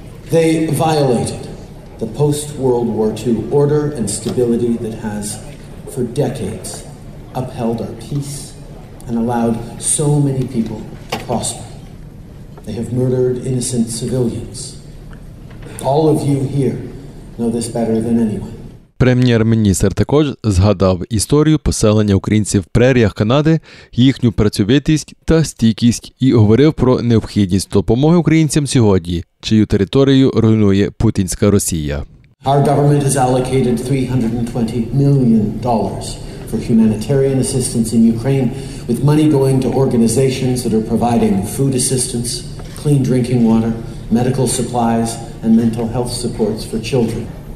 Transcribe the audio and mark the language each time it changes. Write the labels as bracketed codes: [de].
[en] They violated the post-World War II order and stability that has, for decades, upheld our peace and allowed so many people to prosper. They have murdered innocent civilians. All of you here know this better than anyone. [uk] Прем'єр-міністр також згадав історію поселення українців в преріях Канади, їхню працьовитість та стійкість і говорив про необхідність допомоги українцям сьогодні, чию територію руйнує путінська Росія. [en] Our government has allocated $320 million for humanitarian assistance in Ukraine, with money going to organizations that are providing food assistance, clean drinking water, medical supplies and mental health supports for children.